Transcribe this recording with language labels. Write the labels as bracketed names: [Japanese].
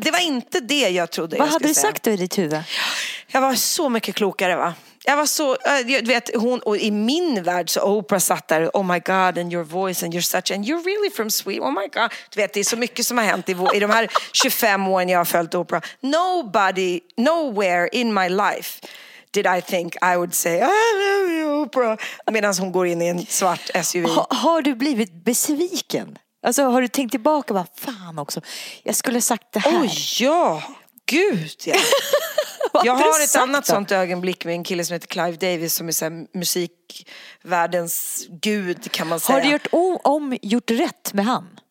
[Swedish] Det var inte det jag trodde. Vad jag hade du sagt då i ditt huvud? Jag var så mycket klokare, va? Jag var så, vet, hon, och i min värld så Oprah satt där, [English] oh my god, and your voice, and you're such, and you're really from Sweden, oh my god. [Swedish] Du vet, det är så mycket som har hänt i de här 25 åren jag har följt Oprah. [English] Nobody, nowhere in my life did I think I would say, I love you, Oprah, [Swedish] medan hon går in i en svart SUV. Har du blivit besviken? Alltså, har du tänkt tillbaka, vad fan också, jag skulle ha sagt det här. Oh ja, gud, ja. Jag har ett annat sånt ögonblick med en kille som heter Clive Davis som är så här musikvärldens gud, kan man säga. Har du gjort rätt med han?